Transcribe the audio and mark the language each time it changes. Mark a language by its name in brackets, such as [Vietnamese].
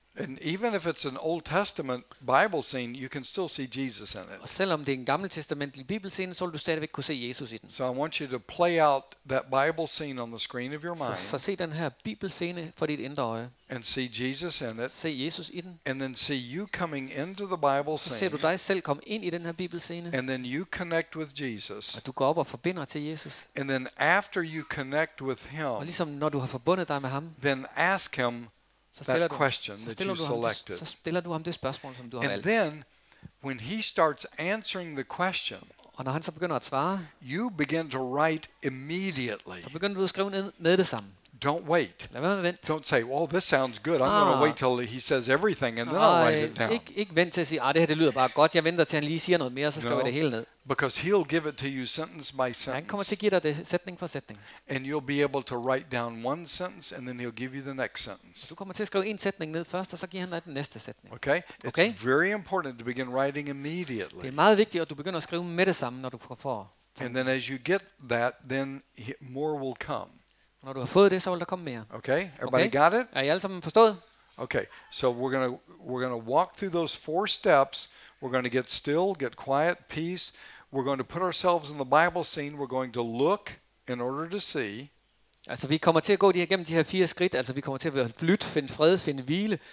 [English] And even if it's an Old Testament Bible scene, you can still see Jesus in it. [Danish] Og selvom det er en gammeltestamentlig bibelscene, så vil du stadigvæk kunne se Jesus i den. [English] So I want you to play out that Bible scene on the screen of your mind. [Danish] Så se den her bibelscene for dit indre øje. [English] And see Jesus in it. [Danish] Se Jesus i den. [English] And then see you coming into the Bible scene. [Danish] Så ser du dig selv komme ind i den her bibelscene. [English] And then you connect with Jesus. [Danish] Og du går op og forbinder til Jesus. [English] And then after you connect with him. [Danish] Og ligesom når du har forbundet dig med ham. [English] Then ask him that question that you selected. [Danish] Så stiller du ham det spørgsmål, som du har valgt. [English] And then, when he starts answering the question, [Danish] og når han så begynder at svare, [English] you begin to write immediately. [Danish] Så begynder du at skrive ned det samme. [English] Don't wait. [Danish] Lad være med at vente. [English] Don't say, well, this sounds good. I'm going to wait till he says everything, and then I'll write it down. [Danish] Ikke vent til at sige, det her det lyder bare godt. Jeg venter til han lige siger noget mere, så skriver jeg det hele ned. [English] Because he'll give it to you sentence by sentence. [Danish] Han kommer til at give dig det sætning for sætning. [English] And you'll be able to write down one sentence, and then he'll give you the next sentence. [Danish] Du kommer til at skrive en sætning ned først, og så giver han dig den næste sætning. [English] Okay? It's okay? Very important to begin writing immediately. [Danish] Det er meget vigtigt, at du begynder at skrive med det samme, når du får. [English] And then as you get that, then more will come. [Danish] Når du har fået det, så vil der komme mere. [English] Okay, everybody okay. Got it? [Danish] Er I alle sammen forstået? [English] Okay, so we're gonna walk through those four steps. We're gonna get still, get quiet, peace. We're going to put ourselves in the Bible scene. We're going to look in order to see. [Danish] Altså, vi kommer til at gå igennem de her fire skridt. Altså, vi kommer til at lytte, finde fred, finde hvile.